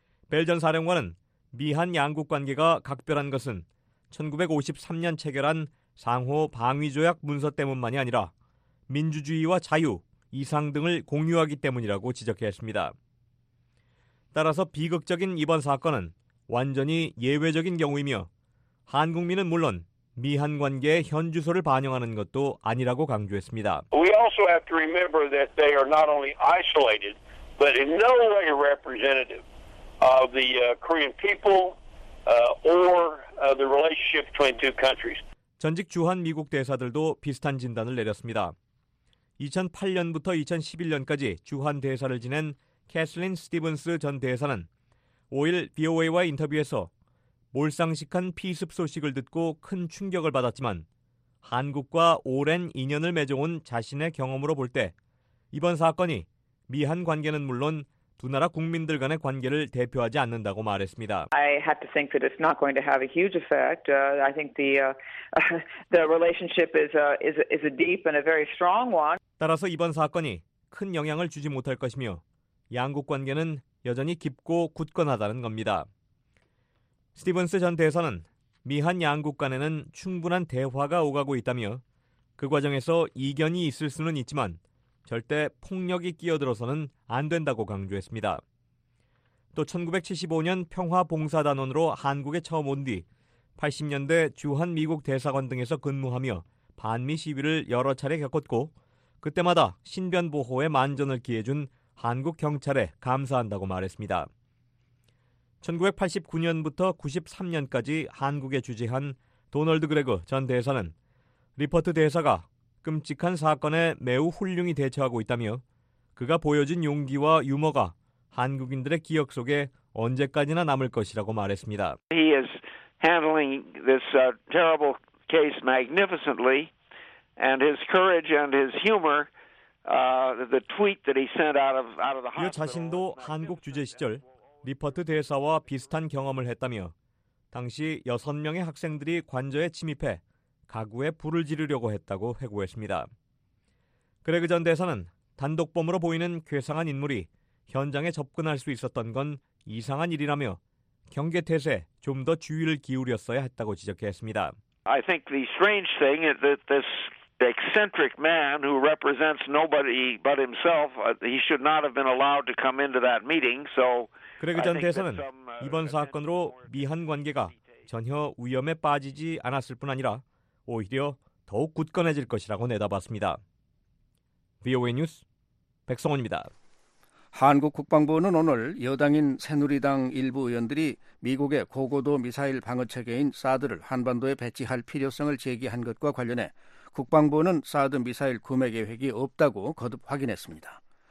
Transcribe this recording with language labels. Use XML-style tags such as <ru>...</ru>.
<ko>벨 전 사령관은 미한 양국 관계가 각별한 것은 1953년 체결한 상호 방위조약 문서 때문만이 아니라 민주주의와 자유, 이상 등을 공유하기 때문이라고 지적했습니다. 따라서 비극적인 이번 사건은 완전히 예외적인 경우이며 한국민은 물론 미한 관계의 현주소를 반영하는 것도 아니라고 강조했습니다.</ko> <en>We also have to remember that they are not only isolated, but in no way representative of the Korean people or the relationship between two countries.</en> <ko>전직 주한 미국 대사들도 비슷한 진단을 내렸습니다. 2008년부터 2011년까지 주한 대사를 지낸 캐슬린 스티븐스 전 대사는 5일 VOA와 인터뷰에서 몰상식한 피습 소식을 듣고 큰 충격을 받았지만 한국과 오랜 인연을 맺어온 자신의 경험으로 볼 때 이번 사건이 미한 관계는 물론 두 나라 국민들 간의 관계를 대표하지 않는다고 말했습니다.</ko> <en>I have to think that it's not going to have a huge effect. I think the relationship is a deep and a very strong one.</en> <ko>따라서 이번 사건이 큰 영향을 주지 못할 것이며 양국 관계는 여전히 깊고 굳건하다는 겁니다. 스티븐스 전 대사는 미한 양국 간에는 충분한 대화가 오가고 있다며 그 과정에서 이견이 있을 수는 있지만 절대 폭력이 끼어들어서는 안 된다고 강조했습니다. 또 1975년 평화봉사단원으로 한국에 처음 온 뒤 80년대 주한미국 대사관 등에서 근무하며 반미 시위를 여러 차례 겪었고 그때마다 신변보호에 만전을 기해준 한국 경찰에 감사한다고 말했습니다. 1989년부터 93년까지 한국에 주재한 도널드 그레그 전 대사는 리퍼트 대사가 끔찍한 사건에 매우 훌륭히 대처하고 있다며 그가 보여준 용기와 유머가 한국인들의 기억 속에 언제까지나 남을 것이라고 말했습니다.</ko> <en>He is handling this terrible case magnificently, and his courage and his humor, the tweet that he sent out of the hospital.</en> <ko>이 자신도 한국 주재 시절 리퍼트 대사와 비슷한 경험을 했다며 당시 6명의 학생들이 관저에 침입해 가구에 불을 지르려고 했다고 회고했습니다. 그레그 전 대사는 단독범으로 보이는 괴상한 인물이 현장에 접근할 수 있었던 건 이상한 일이라며 경계 태세 좀 더 주의를 기울였어야 했다고 지적했습니다.</ko> <en>I think the strange thing is that this eccentric man who represents nobody but himself, he should not have been allowed to come into that meeting. So</en> <ko>그레그 전 대사는 이번 사건으로 미한 관계가 전혀 위험에 빠지지 않았을 뿐 아니라 오히려 더욱 굳건해질 것이라고 내다봤습니다. VOA 뉴스 백성원입니다. 한국 국방부는 오늘 여당인 새누리당 일부 의원들이 미국의 고고도 미사일 방어체계인 사드를 한반도에 배치할 필요성을 제기한 것과 관련해 국방부는 사드 미사일 구매 계획이 없다고 거듭 확인했습니다.</ko>